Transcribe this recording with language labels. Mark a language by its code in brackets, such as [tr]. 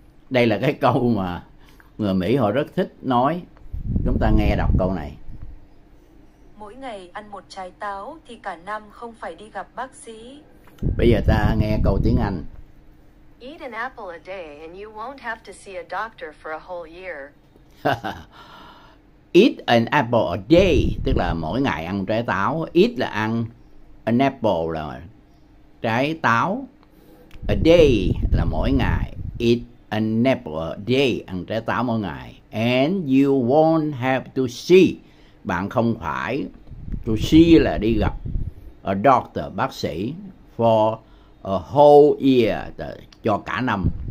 [vi] Đây là cái câu mà người Mỹ họ rất thích nói. Chúng ta nghe đọc câu này. mỗi ngày ăn một trái táo thì cả năm không phải đi gặp bác sĩ. Bây giờ ta nghe câu tiếng Anh. [en] Eat an apple a day and you won't have to see a doctor for a whole year. Eat an apple a day, [vi] tức là mỗi ngày ăn trái táo. [en] Eat [vi] là ăn, [en] an apple [vi] là trái táo. [en] A day [vi] là mỗi ngày. [en] Eat an apple a day, [vi] ăn trái táo mỗi ngày. [en] And you won't have to see. [vi] Bạn không phải, [en] to see [vi] là đi gặp [en] a doctor, [vi] bác sĩ, [en] for a whole year, [vi] cho cả năm.